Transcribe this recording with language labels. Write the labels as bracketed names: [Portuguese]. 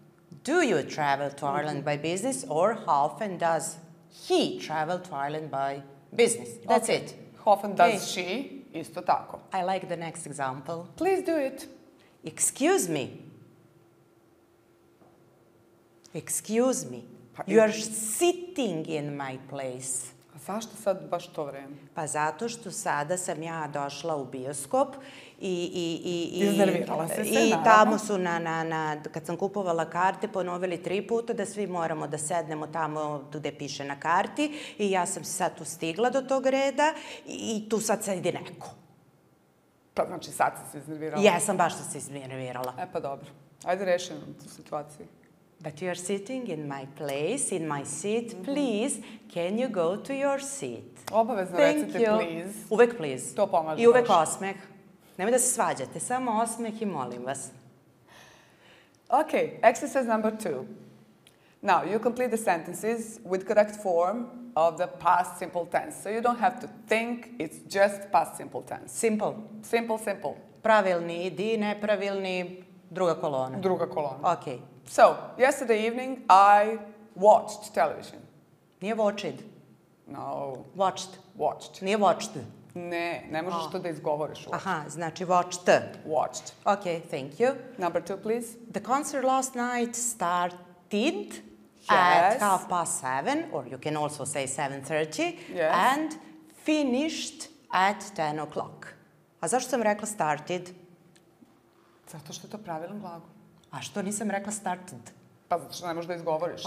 [English] do you travel to Ireland by business or how often does he travel to Ireland by business? That's it. How often does she? [Serbian] Isto tako. [English] I like the next example. Please do it. Excuse me. Excuse me. [Serbian] Pa, [English] you are sitting in my place. [Serbian] A zašto sad baš to vreme? Pa zato što sada sam ja došla u bioskop iznervirala se i tamo su na kad sam kupovala karte ponovili 3 puta da svi moramo da sednemo tamo gdje piše na karti i ja sam sad tu stigla do tog reda i tu sad sedi neko. Pa znači sad sam se iznervirala? Jesam baš da se iznervirala. E pa dobro. Ajde rešim tu situaciju. [English] But you are sitting in my place, in my seat. Mm-hmm. Please, can you go to your seat? [Serbian] Obavezno recite [English] you. Please. [Serbian] Uvek [English] please. [Serbian] To pomaže. I uvek osmeh. Nemoj da se svađate, samo osmeh i molim vas. [English] Okay, exercise number two. Now, you complete the sentences with correct form of the past simple tense. So you don't have to think, it's just past simple tense. Simple. Simple, simple. [Serbian] Pravilni, di nepravilni, druga kolona. Druga kolona. [English] Okay. So, yesterday evening I watched television. [Serbian] Nije [English] watched. No. Watched. Watched. [Serbian] Nije watched. Ne, ne možeš to da izgovoriš. Watched. Aha, znači watched. [English] Watched. Okay, thank you. Number two, please. The concert last night started at 7:30, or you can also say 7:30, and finished at 10 o'clock. [Serbian] A zašto sam rekla started? Zato što je to pravilan glagol. A što nisam rekla started? Pa zato što ne možeš da izgovoriš.